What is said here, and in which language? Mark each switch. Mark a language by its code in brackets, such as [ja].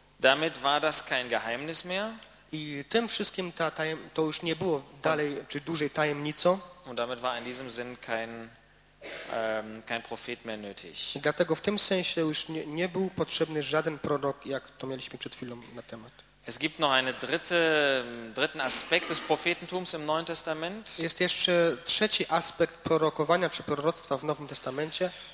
[de] Damit war das kein Geheimnis mehr. [pl] I tym wszystkim to już nie było dalej czy dłużej tajemnicą. [de] Und damit war in diesem Sinn kein kein Prophet mehr nötig. [pl] Dlatego w tym sensie już nie był potrzebny żaden prorok, jak to mieliśmy przed chwilą na temat. [de] Es gibt noch einen dritten Aspekt des Prophetentums im Neuen Testament. [pl] Jest jeszcze trzeci aspekt prorokowania czy proroctwa w Nowym Testamencie.